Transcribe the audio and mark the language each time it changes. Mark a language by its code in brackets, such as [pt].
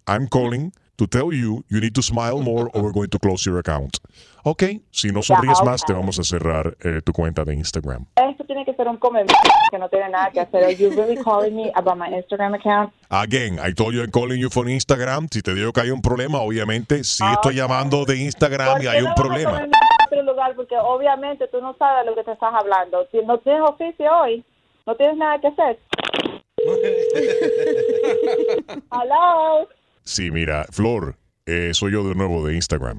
[en] I'm calling to tell you, you need to smile more or we're going to close your account. [es] Okay, si no sonríes más, te vamos a cerrar tu cuenta de Instagram. Esto tiene que ser un comentario que no tiene nada que hacer. [en] Are you really calling me about my Instagram account? Again, I told you I'm calling you for Instagram. [es] Si te digo que hay un problema, obviamente, si estoy llamando de Instagram y hay un problema. Otro lugar porque obviamente tú no sabes lo que te estás hablando. Si no tienes oficio hoy, no tienes nada que hacer. [en] Hello. [es] Sí, mira, Flor, soy yo de nuevo de Instagram.